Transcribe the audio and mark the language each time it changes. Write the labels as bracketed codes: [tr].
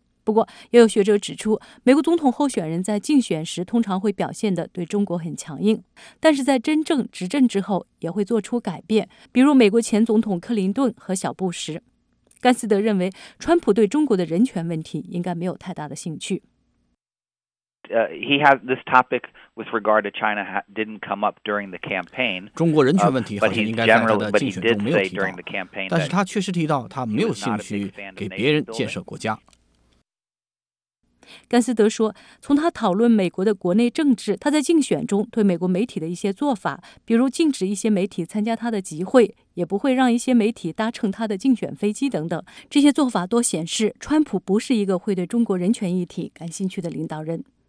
[zh] 不过也有学者指出，美国总统候选人在竞选时通常会表现得对中国很强硬，但是在真正执政之后也会做出改变，比如美国前总统克林顿和小布什。甘思德认为川普对中国的人权问题应该没有太大的兴趣。 [en] He has this topic with regard to China didn't come up during the campaign. [zh] 中国人权问题好像应该在他的竞选中没有提到，但是他确实提到他没有兴趣给别人建设国家。甘思德说，从他讨论美国的国内政治，他在竞选中对美国媒体的一些做法，比如禁止一些媒体参加他的集会，也不会让一些媒体搭乘他的竞选飞机等等，这些做法都显示川普不是一个会对中国人权议题感兴趣的领导人。